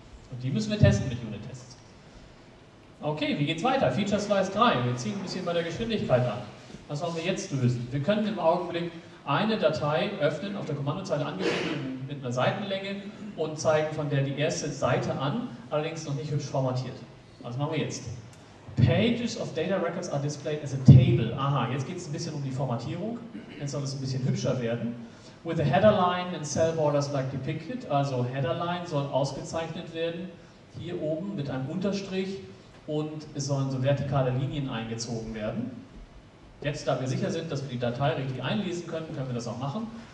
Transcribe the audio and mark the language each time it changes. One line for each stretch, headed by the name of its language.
German: Und die müssen wir testen mit Unit-Tests. Okay, wie geht's weiter? Feature Slice 3. Wir ziehen ein bisschen bei der Geschwindigkeit an. Was wollen wir jetzt lösen? Wir können im Augenblick eine Datei öffnen, auf der Kommandozeile angelegt mit einer Seitenlänge und zeigen von der die erste Seite an, allerdings noch nicht hübsch formatiert. Was machen wir jetzt?
English: Pages of data records are displayed as a table.
German: Aha, jetzt geht es ein bisschen um die Formatierung. Jetzt soll es ein bisschen hübscher werden.
English: With a header line and cell borders like depicted.
German: Also header line soll ausgezeichnet werden. Hier oben mit einem Unterstrich. Und es sollen so vertikale Linien eingezogen werden. Jetzt, da wir sicher sind, dass wir die Datei richtig einlesen können, können wir das auch machen.